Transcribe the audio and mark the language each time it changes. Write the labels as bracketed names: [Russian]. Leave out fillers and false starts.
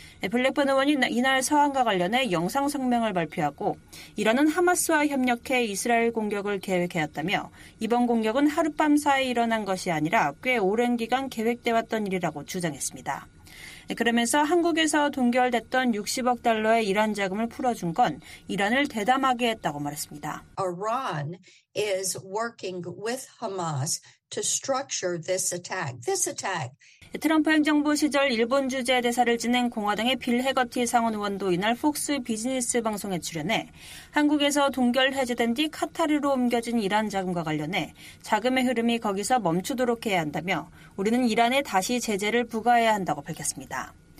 [Korean] 블랙번 의원이 이날 서한과 관련해 영상 성명을 발표하고 이란은 하마스와 협력해 이스라엘 공격을 계획해왔다며 이번 공격은 하룻밤 사이 일어난 것이 아니라 꽤 오랜 기간 계획돼 왔던 일이라고 주장했습니다. 그러면서 한국에서 동결됐던 60억 달러의 이란 자금을 풀어준 건 이란을 대담하게 했다고 말했습니다. [English] Iran is working with Hamas to structure this attack. This attack. [Korean] 트럼프 행정부 시절 일본 주재 대사를 지낸 공화당의 빌 해거티 상원 의원도 이날 폭스 비즈니스 방송에 출연해 한국에서 동결 해제된 뒤 카타르로 옮겨진 이란 자금과 관련해 자금의 흐름이 거기서 멈추도록 해야 한다며 우리는 이란에 다시 제재를 부과해야 한다고 밝혔습니다.